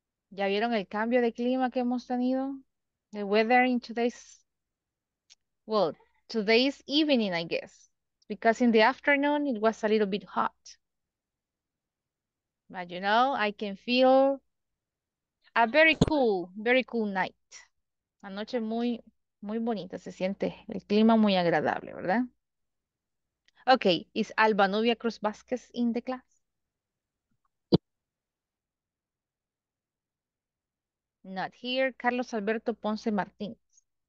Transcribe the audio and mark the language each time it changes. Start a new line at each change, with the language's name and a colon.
Spanish: ¿Ya vieron el cambio de clima que hemos tenido?
English: The weather in today's evening, I guess, because in the afternoon it was a little bit hot. But you know, I can feel a very cool night.
Spanish: Anoche muy, muy bonita, se siente el clima muy agradable, ¿verdad?
English: Okay, is Alba Nubia Cruz Vázquez in the class? Not here, Carlos Alberto Ponce Martínez.